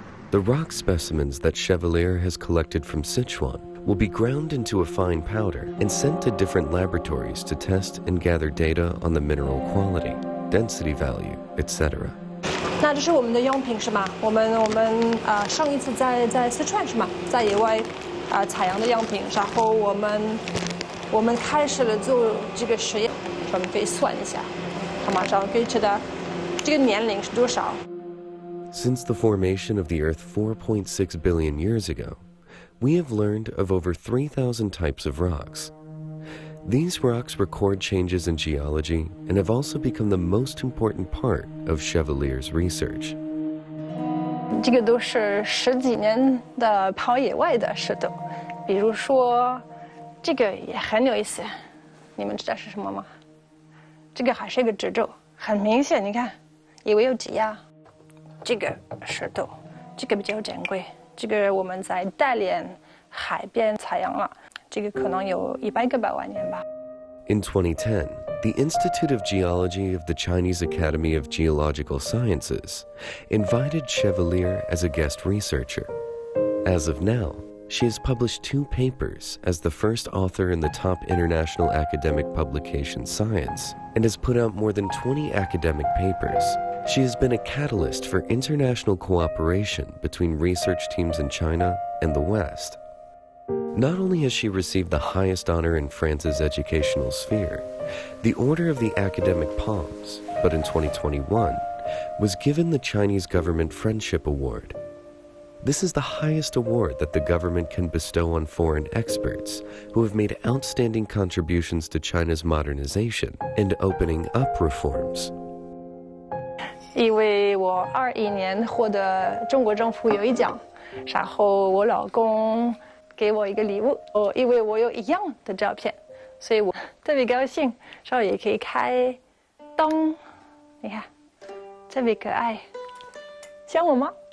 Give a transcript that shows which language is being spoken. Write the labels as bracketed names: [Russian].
[English] The rock specimens that Chevalier has collected from Sichuan will be ground into a fine powder and sent to different laboratories to test and gather data on the mineral quality, density value, etc. [Chinese] 那这是我们的样品是吗？我们上一次在四川是吗？在野外采样的样品，然后我们开始了做这个实验，我们可以算一下，它马上可以知道这个年龄是多少。 [English] Since the formation of the Earth 4.6 billion years ago, we have learned of over 3,000 types of rocks. These rocks record changes in geology and have also become the most important part of Chevalier's research. These are [Chinese] 十几年的跑野外的石头，比如说，这个也很有意思。你们知道是什么吗？这个还是一个植株，很明显，你看，以为有挤压。这个石头，这个比较珍贵。这个我们在大连海边采样了，这个可能有100个百万年吧。 [English] In 2010, the Institute of Geology of the Chinese Academy of Geological Sciences invited Chevalier as a guest researcher. As of now, she has published 2 papers as the first author in the top international academic publication Science and has put out more than 20 academic papers. She has been a catalyst for international cooperation between research teams in China and the West. Not only has she received the highest honor in France's educational sphere, the Order of the Academic Palms, but in 2021, was given the Chinese Government Friendship Award. This is the highest award that the government can bestow on foreign experts who have made outstanding contributions to China's modernization and opening up reforms. [Chinese] 因为我2021年获得中国政府友谊奖，然后我老公给我一个礼物，因为我有一样的照片，所以我特别高兴，然后也可以开灯，你看，特别可爱，像我吗？